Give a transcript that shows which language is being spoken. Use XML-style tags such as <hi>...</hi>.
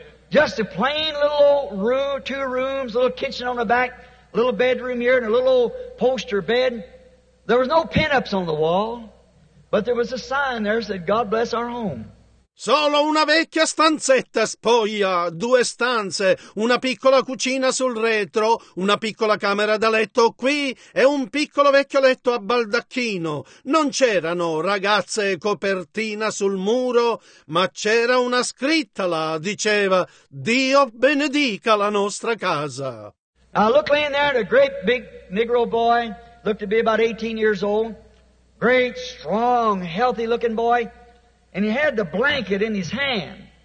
<en>Just a plain little old room, two rooms, little kitchen on the back, little bedroom here and a little old poster bed. There was no pin-ups on the wall, but there was a sign there that said, God bless our home.</en> <it>Solo una vecchia stanzetta spoglia, due stanze, una piccola cucina sul retro, una piccola camera da letto qui e un piccolo vecchio letto a baldacchino. Non c'erano ragazze e copertina sul muro, ma c'era una scritta là, diceva, Dio benedica la nostra casa.</it> <en>I look laying there at a great big Negro boy. Looked to be about 18 years old, great, strong, healthy-looking boy, and he had the blanket in his hand.</en>